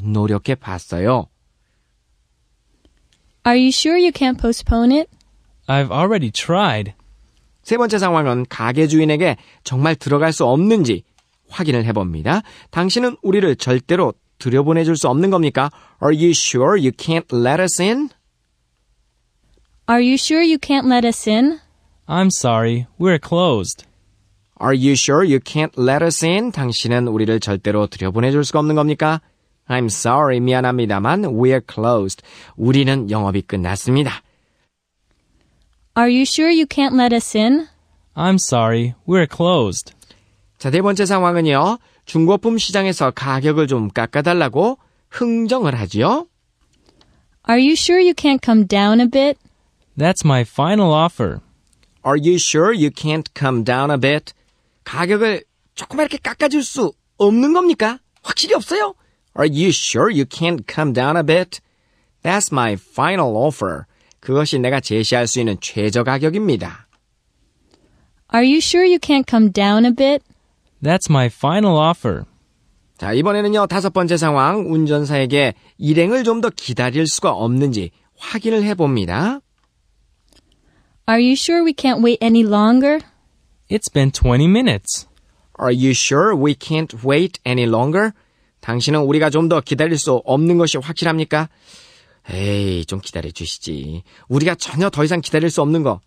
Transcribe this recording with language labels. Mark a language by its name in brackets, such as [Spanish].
[Korean] 노력해봤어요. [English] Are you sure you can't postpone it? I've already tried. [Korean] 세 번째 상황은 가게 주인에게 정말 들어갈 수 없는지 확인을 해봅니다. 당신은 우리를 절대로 들여보내줄 수 없는 겁니까? [English] Are you sure you can't let us in? Are you sure you can't let us in? I'm sorry, we're closed. Are you sure you can't let us in? [Korean] 당신은 우리를 절대로 들여보내줄 수가 없는 겁니까? [English] I'm sorry, [Korean] 미안합니다만, [English] we're closed. [Korean] 우리는 영업이 끝났습니다. [English] Are you sure you can't let us in? I'm sorry, we're closed. [Korean] 자, 네 번째 상황은요. 중고품 시장에서 가격을 좀 깎아달라고 흥정을 하지요. [English] Are you sure you can't come down a bit? That's my final offer. Are you sure you can't come down a bit? [Korean] 가격을 조금만 이렇게 깎아줄 수 없는 겁니까? 확실히 없어요? [English] Are you sure you can't come down a bit? That's my final offer. [Korean] 그것이 내가 제시할 수 있는 최저 가격입니다. [English] Are you sure you can't come down a bit? That's my final offer. [Korean] 자, 이번에는요, 다섯 번째 상황, 운전사에게 일행을 좀 더 기다릴 수가 없는지 확인을 해봅니다. [English] Are you sure we can't wait any longer? It's been 20 minutes. Are you sure we can't wait any longer? [Korean] 당신은 우리가 좀 더 기다릴 수 없는 것이 확실합니까? 에이, 좀 기다려주시지. 우리가 전혀 더 이상 기다릴 수 없는 거.